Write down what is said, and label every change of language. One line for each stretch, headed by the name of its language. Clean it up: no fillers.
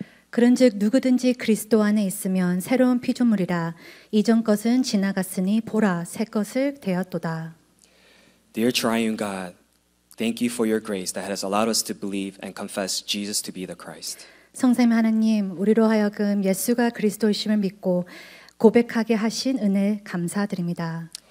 Korean: 그런즉 누구든지 그리스도 안에 있으면 새로운 피조물이라 이전 것은 지나갔으니 보라 새 것을 되었도다.
English: Dear Triune God, thank you for your grace that has allowed us to believe and confess Jesus to be the Christ.
Korean: 성삼위 하나님, 우리로 하여금 예수가 그리스도이심을 믿고 고백하게 하신 은혜 감사드립니다.